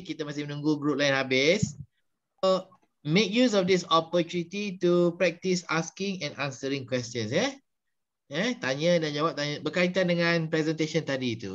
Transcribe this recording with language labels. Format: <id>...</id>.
<ms>Kita masih menunggu group lain habis.</ms> <en>So, make use of this opportunity to practice asking and answering questions.</en> <ms>Tanya dan jawab, tanya berkaitan dengan presentation tadi itu.</ms>